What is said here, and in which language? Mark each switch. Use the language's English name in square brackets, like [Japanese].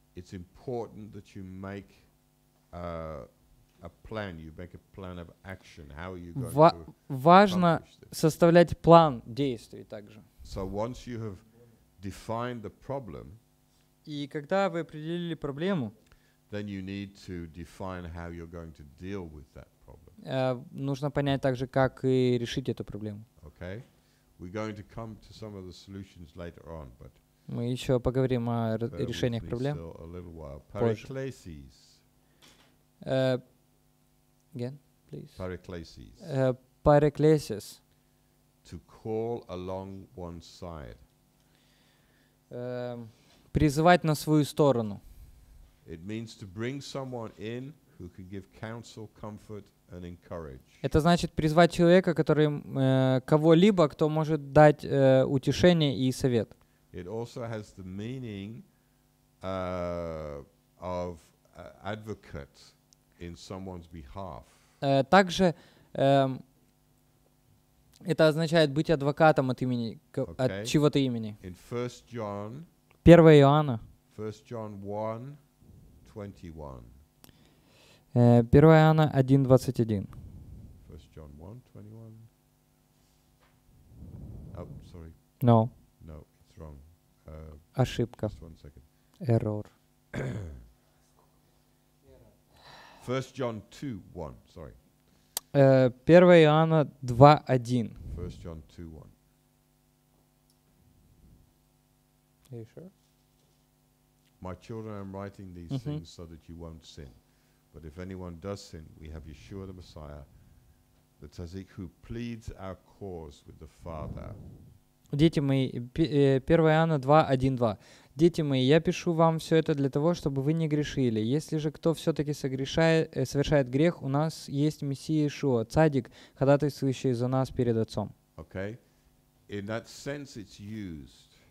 [English] It's important that you make a plan. You make a plan of action. How are you going to accomplish this? [Russian] Важно составлять план действий также. [English] So once you have defined the problem, [Russian] и когда вы определили проблему, [English] then you need to define how you're going to deal with that problem. [Russian] Нужно понять также, как и решить эту проблему. [English] Okay, we're going to come to some of the solutions later on, but. [Russian] Мы еще поговорим о решениях проблем. Париклесис. [English] Again, please. [Russian] Париклесис. Париклесис. [English] To call along one side. [Russian] Призывать на свою сторону. [English] It means to bring someone in who can give counsel, comfort, and encourage. [Russian] Это значит призвать человека, который кого-либо, кто может дать утешение и совет. [English] It also has the meaning of advocate in someone's behalf. [Russian] Также это означает быть адвокатом от имени от чьего-то имени. [English] In 1 John. [Russian] 1 Иоанна. [English] 1 John 1:21. [Russian] 1 Иоанна 1:21. [English] 1 John 1:21. Oh, sorry. No. No. [Russian] Ошибка. [English] Error. 1 John 2:1. Sorry. [Russian] 1 Иоанна 2:1. [English] 1 John 2:1. Are you sure? My children, I'm writing these mm-hmm. things so that you won't sin. But if anyone does sin, we have Yeshua the Messiah, the Tzadik, who pleads our cause with the Father. [Russian] Дети мои, 1 Иоанна 2:1-2. Дети мои, я пишу вам все это для того, чтобы вы не грешили. Если же кто все-таки совершает грех, у нас есть Мессия Иешуа, Цадик, ходатайствующий за нас перед Отцом. [English] Okay. In that sense it's used.